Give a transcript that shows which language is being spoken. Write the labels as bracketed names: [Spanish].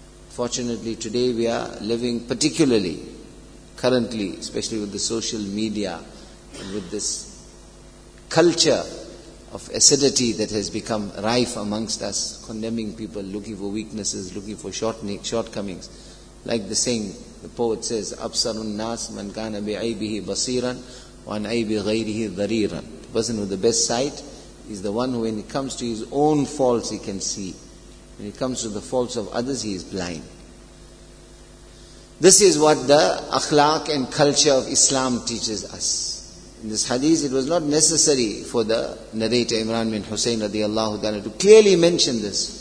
[English] Fortunately, today we are living, particularly currently, especially with the social media, and with this culture of acidity that has become rife amongst us, condemning people, looking for weaknesses, looking for shortcomings. [Arabic] Like the saying, the poet says, أَبْصَرُ النَّاسِ مَنْ كَانَ بِعَيْبِهِ بَصِيرًا وَعَنْ عَيْبِ غَيْرِهِ ضَرِيرًا. [English] The person with the best sight is the one who, when it comes to his own faults, he can see. When it comes to the faults of others, he is blind. This is what the akhlaq and culture of Islam teaches us. In this hadith, it was not necessary for the narrator Imran bin Hussein radiallahu ta'ala to clearly mention this.